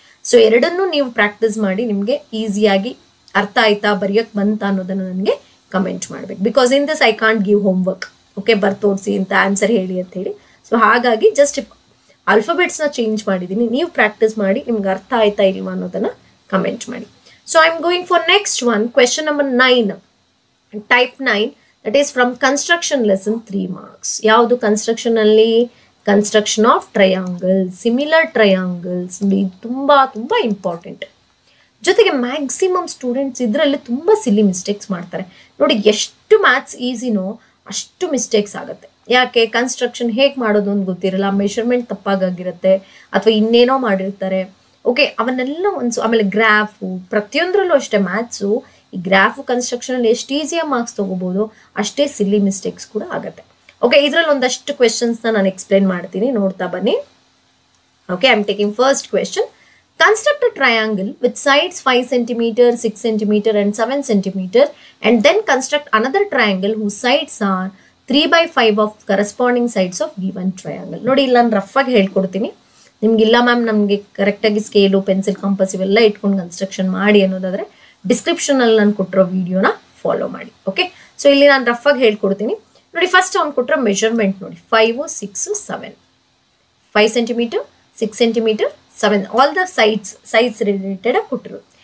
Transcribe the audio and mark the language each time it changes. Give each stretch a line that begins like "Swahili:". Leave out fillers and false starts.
Kannada: So ಎರಡನ್ನೂ ನೀವು practice ಮಾಡಿ, ನಿಮಗೆ ಈಸಿಯಾಗಿ ಅರ್ಥ ಆಯ್ತಾ, ಬರೆಯೋಕ್ಕೆ ಬಂತ ಅನ್ನೋದನ್ನು ನನಗೆ ಕಮೆಂಟ್ ಮಾಡಬೇಕು.
English: because in this I can't give homework, okay,
Kannada: ಬರ್ ತೋರಿಸಿ ಅಂತ ಆನ್ಸರ್ ಹೇಳಿ ಅಂತೇಳಿ. ಸೊ ಹಾಗಾಗಿ ಜಸ್ಟ್ ಆಲ್ಫಾಬೆಟ್ಸ್ನ ಚೇಂಜ್ ಮಾಡಿದ್ದೀನಿ, ನೀವು ಪ್ರಾಕ್ಟೀಸ್ ಮಾಡಿ, ನಿಮ್ಗೆ ಅರ್ಥ ಆಯ್ತಾ ಇಲ್ವಾ ಅನ್ನೋದನ್ನು ಕಮೆಂಟ್ ಮಾಡಿ.
English: So I'm going for next one, question number 9. Type 9, that is from construction lesson 3 marks.
Kannada: Yaudu construction alli?
English: Construction of triangles, similar triangles.
Kannada: Tumba important. ಜೊತೆಗೆ ಮ್ಯಾಕ್ಸಿಮಮ್ ಸ್ಟೂಡೆಂಟ್ಸ್ ಇದರಲ್ಲಿ ತುಂಬ ಸಿಲಿ ಮಿಸ್ಟೇಕ್ಸ್ ಮಾಡ್ತಾರೆ. ನೋಡಿ, ಎಷ್ಟು ಮ್ಯಾಥ್ಸ್ ಈಸಿನೋ ಅಷ್ಟು ಮಿಸ್ಟೇಕ್ಸ್ ಆಗುತ್ತೆ. ಯಾಕೆ? ಕನ್ಸ್ಟ್ರಕ್ಷನ್ ಹೇಗೆ ಮಾಡೋದು ಅಂತ ಗೊತ್ತಿರಲ್ಲ, ಮೆಷರ್ಮೆಂಟ್ ತಪ್ಪಾಗಿರುತ್ತೆ ಅಥವಾ ಇನ್ನೇನೋ ಮಾಡಿರ್ತಾರೆ. ಓಕೆ, ಅವನ್ನೆಲ್ಲ ಒಂದು, ಆಮೇಲೆ ಗ್ರಾಫು, ಪ್ರತಿಯೊಂದರಲ್ಲೂ ಅಷ್ಟೇ ಮ್ಯಾಥ್ಸು. ಈ ಗ್ರಾಫ್ ಕನ್ಸ್ಟ್ರಕ್ಷನಲ್ಲಿ ಎಷ್ಟು ಈಸಿಯಾಗಿ ಮಾರ್ಕ್ಸ್ ತೊಗೋಬೋದು ಅಷ್ಟೇ ಸಿಲ್ಲಿ ಮಿಸ್ಟೇಕ್ಸ್ ಕೂಡ ಆಗುತ್ತೆ. ಓಕೆ, ಇದರಲ್ಲಿ ಒಂದಷ್ಟು ಕ್ವೆಶನ್ಸ್ನ ನಾನು ಎಕ್ಸ್ಪ್ಲೇನ್ ಮಾಡ್ತೀನಿ, ನೋಡ್ತಾ ಬನ್ನಿ.
English: Okay, I am taking first question. Construct a triangle with sides 5 cm, 6 cm and 7 cm and then construct another triangle whose sides are 3 by 5 of corresponding sides of given triangle.
Kannada: ನೋಡಿ, ಇಲ್ಲ ನಾನು rough ಆಗಿ ಹೇಳ್ಕೊಡ್ತೀನಿ ನಿಮ್ಗೆ. ಇಲ್ಲ ma'am, ನಮಗೆ ಕರೆಕ್ಟಾಗಿ scale, pencil, compass ಇವೆಲ್ಲ ಇಟ್ಕೊಂಡು ಕನ್ಸ್ಟ್ರಕ್ಷನ್ ಮಾಡಿ ಅನ್ನೋದಾದರೆ ಡಿಸ್ಕ್ರಿಪ್ಷನಲ್ಲಿ ನಾನು ಕೊಟ್ಟಿರೋ ವೀಡಿಯೋನ ಫಾಲೋ ಮಾಡಿ. ಓಕೆ, ಸೊ ಇಲ್ಲಿ ನಾನು ರಫ್ ಆಗಿ ಹೇಳ್ಕೊಡ್ತೀನಿ ನೋಡಿ. ಫಸ್ಟ್ ಅವ್ನು ಕೊಟ್ಟಿರೋ ಮೆಷರ್ಮೆಂಟ್ ನೋಡಿ, 5, 6, 7 5 cm, 6 cm, 7, all the sides related ಆಗಿ ಕೊಟ್ಟರು.